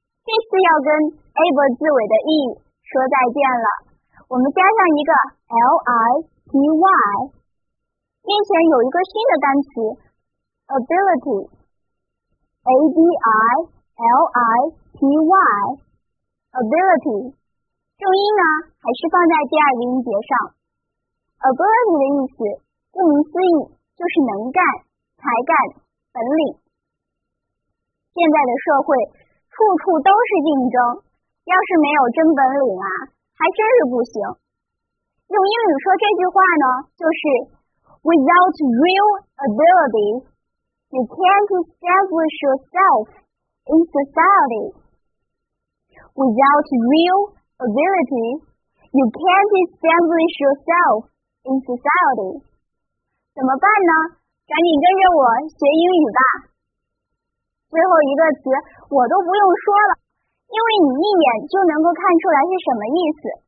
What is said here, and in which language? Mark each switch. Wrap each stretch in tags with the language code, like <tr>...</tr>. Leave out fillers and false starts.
<zh>这次要跟 able 字尾的 e 说再见了，我们加上一个 ly， 面前有一个新的单词ability, A-B-I-L-I-T-Y, ability, 重音呢还是放在第二个音节上。 ability 的意思顾名思义就是能干、才干、本领。现在的社会处处都是竞争，要是没有真本领啊还真是不行。用英语说这句话呢就是</zh> <en>without real ability,You can't establish yourself in society. Without real ability, you can't establish yourself in society.</en> <zh>怎么办呢？赶紧跟着我学英语吧。最后一个词我都不用说了，因为你一眼就能够看出来是什么意思。</zh>